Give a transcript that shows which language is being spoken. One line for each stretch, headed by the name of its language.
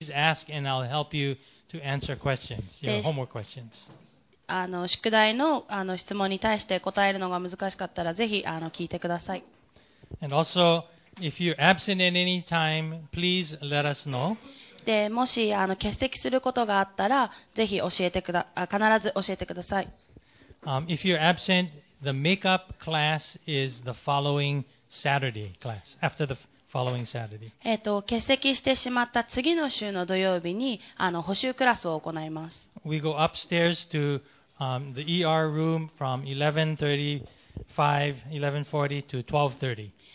English: ask and I'll help you to answer questions, your homework questions.
Japanese: あの宿題 の, あの質問に対して答えるのが難しかったらぜひあの聞いてください。
English: And also, if you're absent at any time, please let us know.
Japanese: でもしあの欠席することがあったらぜひ教えてください。必ず教えてください。
English: If you're absent, the makeup class is the following Saturday class, after the following Saturday.
Japanese: 欠席してしまった次の週の土曜日にあの補習クラスを行います。
English: We go upstairs to the ER room from 11:30 to 12:30.